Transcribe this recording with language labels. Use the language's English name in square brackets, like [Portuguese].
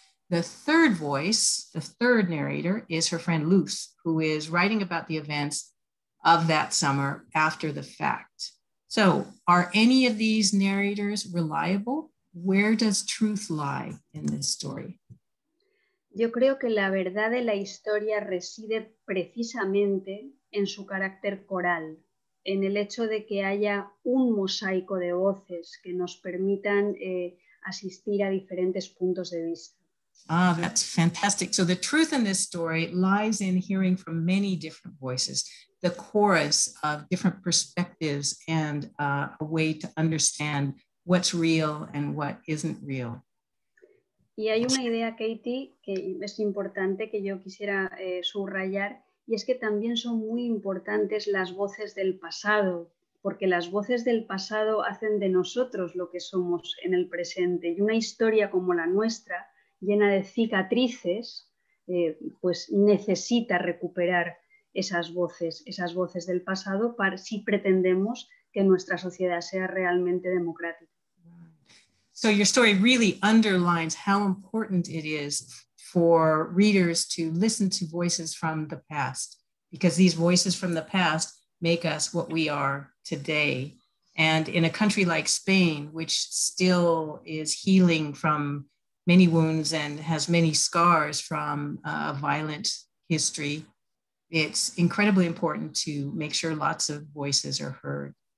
[English] The third voice, the third narrator, is her friend Luz, who is writing about the events of that summer after the fact. So are any of these narrators reliable? Where does truth lie in this story? [Spanish] Yo creo que la verdad de la historia reside precisamente en su carácter coral, en el hecho de que haya un mosaico de voces que nos permitan asistir a diferentes puntos de vista. [English] Ah, that's fantastic. So the truth in this story lies in hearing from many different voices, the chorus of different perspectives and a way to understand what's real and what isn't real. [Spanish] Y hay una idea, Katie, que es importante que yo quisiera subrayar, y es que también son muy importantes las voces del pasado, porque las voces del pasado hacen de nosotros lo que somos en el presente, y una historia como la nuestra llena de cicatrices, pues necesita recuperar esas voces del pasado para si pretendemos que nuestra sociedad sea realmente democrática. [English] So your story really underlines how important it is for readers to listen to voices from the past, because these voices from the past make us what we are today. And in a country like Spain, which still is healing from many wounds and has many scars from a violent history, it's incredibly important to make sure lots of voices are heard.